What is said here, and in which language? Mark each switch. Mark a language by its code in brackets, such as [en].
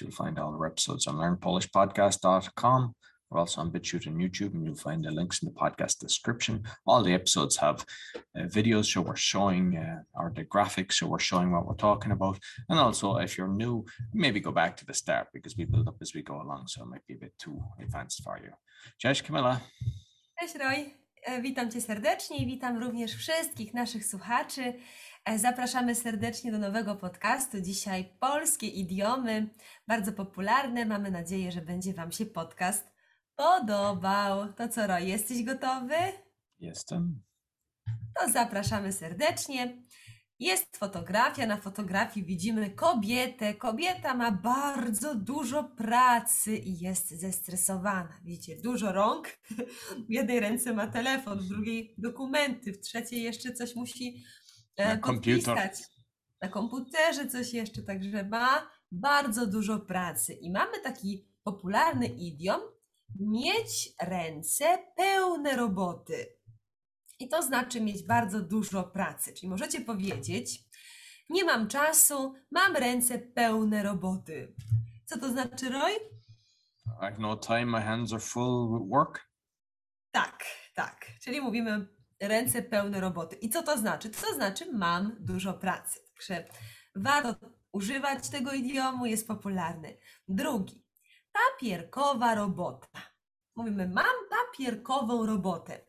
[en] You'll find all our episodes on learnpolishpodcast.com. We're also on BitChute and YouTube, and you'll find the links in the podcast description. All the episodes have videos, so we're showing the graphics, so we're showing what we're talking about. And also, if you're new, maybe go back to the start, because we build up as we go along, so it might be a bit too advanced for you. [pl] Cześć, Kamila. Cześć, Roy. Witam Cię serdecznie i witam również wszystkich naszych słuchaczy. Zapraszamy serdecznie do nowego podcastu. Dzisiaj polskie idiomy, bardzo popularne. Mamy nadzieję, że będzie Wam się podcast podobał. To co, Roy, jesteś gotowy? Jestem. To zapraszamy serdecznie. Jest fotografia. Na fotografii widzimy kobietę. Kobieta ma bardzo dużo pracy i jest zestresowana. Widzicie, dużo rąk. W jednej ręce ma telefon, w drugiej dokumenty, w trzeciej jeszcze coś musi podpisać. Na komputerze coś jeszcze. Także ma bardzo dużo pracy. I mamy taki popularny idiom. Mieć ręce pełne roboty. I to znaczy mieć bardzo dużo pracy. Czyli możecie powiedzieć, nie mam czasu, mam ręce pełne roboty. Co to znaczy, Roy? [en] I've no time, my hands are full with work. [pl] Tak, tak. Czyli mówimy ręce pełne roboty. I co to znaczy? To znaczy mam dużo pracy. Także warto używać tego idiomu, jest popularny. Drugi, papierkowa robota. Mówimy, mam papierkową robotę.